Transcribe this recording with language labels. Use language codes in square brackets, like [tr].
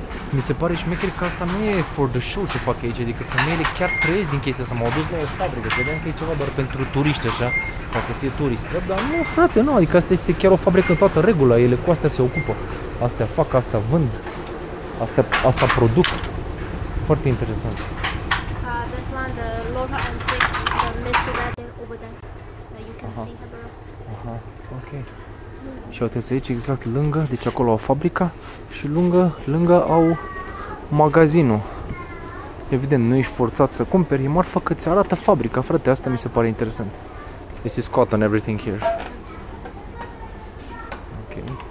[ro] Mi se pare șmecher că asta nu e [en] for the show [ro] ce fac aici, adică femeile chiar trăiesc din chestia asta, m-au dus la o fabrică, credeam că e ceva doar pentru turiști așa, ca să fie turist, dar nu, frate, nu, adică asta este chiar o fabrică în toată regula, ele cu astea se ocupă, astea fac, astea vând, astea, asta produc, foarte interesant. [en] This one, the lower and thick, the mist red over there, you can aha. See aha, ok. [ro] Și uitați aici exact lângă, deci acolo au fabrica și lângă au magazinul. Evident, nu ești forțat să cumperi, e marfă că ți arată fabrica, frate, asta mi se pare interesant. [en] This is cotton, everything here. Ok.